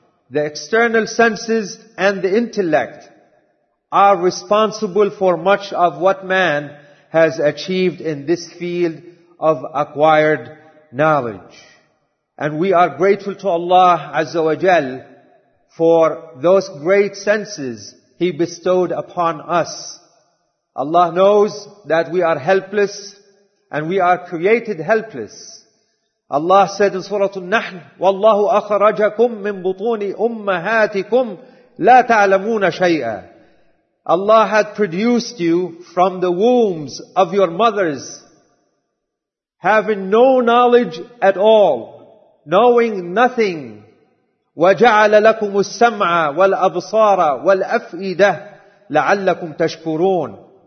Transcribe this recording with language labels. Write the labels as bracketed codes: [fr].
[en] The external senses and the intellect are responsible for much of what man has achieved in this field of acquired knowledge. And we are grateful to Allah Azza wa Jal for those great senses He bestowed upon us. Allah knows that we are helpless and we are created helpless. Allah said in Surah An-Nahl, [ar] وَاللَّهُ أَخْرَجَكُمْ مِنْ بُطُونِ أُمَّهَاتِكُمْ لَا تَعْلَمُونَ شَيْئًا. [en] Allah had produced you from the wombs of your mothers, having no knowledge at all, knowing nothing. [ar] وَجَعَلَ لَكُمُ السَّمْعَ وَالْأَبْصَارَ وَالْأَفْئِدَةَ لَعَلَّكُمْ تَشْكُرُونَ.